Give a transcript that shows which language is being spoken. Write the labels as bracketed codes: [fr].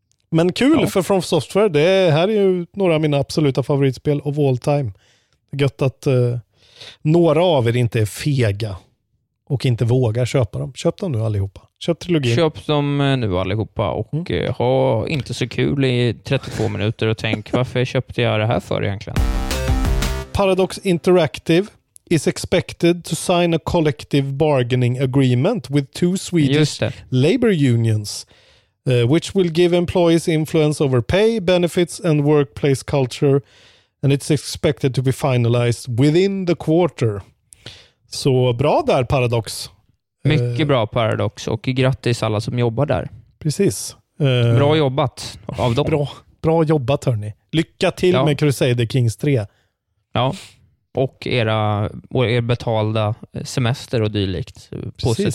[sv] Men kul, för From Software, det här är ju några av mina absoluta favoritspel [en] of all time. [sv] Det är gött att några av er inte är fega och inte vågar köpa dem. Köp dem nu allihopa. Köp trilogin. Köp dem nu allihopa och ha inte så kul i 32 minuter och tänk, varför köpte jag det här för egentligen? [en] Paradox Interactive is expected to sign a collective bargaining agreement with two Swedish labor unions. Which will give employees influence over pay, benefits and workplace culture. And it's expected to be finalized within the quarter. [sv] Så bra där, Paradox. Mycket bra, Paradox. Och grattis alla som jobbar där. Precis. Bra jobbat av dem. Bra jobbat, hörni. Lycka till med Crusader Kings 3. Ja, och er betalda semester och dylikt. Positivt.